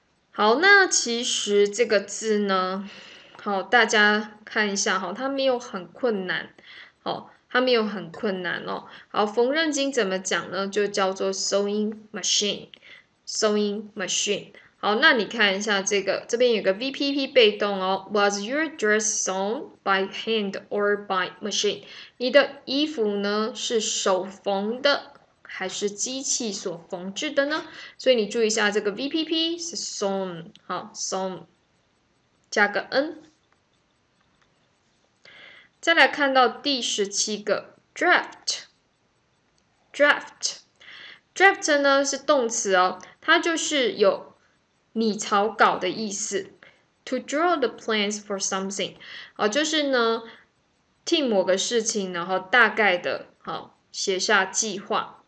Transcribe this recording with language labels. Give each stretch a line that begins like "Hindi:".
Chinese: 好，那其实这个字呢，好，大家看一下，好，它没有很困难，好，它没有很困难哦。好，缝纫机怎么讲呢？就叫做 sewing machine， sewing machine。好，那你看一下这个，这边有个 VPP 被动哦。
English: Was your dress sewn by hand or by machine?
Chinese: 你的衣服呢是手缝的还是机器所缝制的呢？所以你注意一下这个 VPP 是 sewn， 好 ，sewn 加个 n。再来看到第十七个 draft 呢是动词哦，它就是有拟草稿的意思 ，
English: to draw the plans for something，
Chinese: 好，就是呢 ，team 某个事情，然后大概的，好，写下计划。